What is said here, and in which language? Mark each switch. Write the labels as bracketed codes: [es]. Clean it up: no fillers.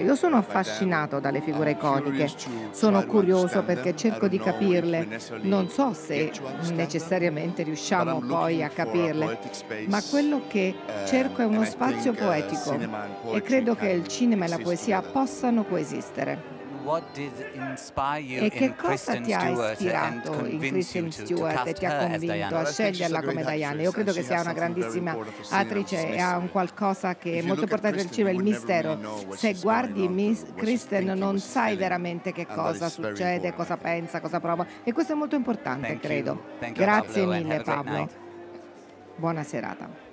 [it] Io sono affascinato dalle figure iconiche, sono curioso perché cerco di capirle, non so se necessariamente riusciamo poi a capirle, ma quello che cerco è uno spazio poetico e credo che il cinema e la poesia possano coesistere. [en] What did inspire you in Kristen Stewart and convince you to cast her as Diana? [it] A sceglierla come Diana. Io credo che sia una grandissima attrice e ha un qualcosa che è molto importante nel cinema, il mistero. Se guardi Kristen non sai veramente che cosa succede, cosa pensa, cosa prova, e questo è molto importante, credo. Grazie mille Pablo. Buona serata.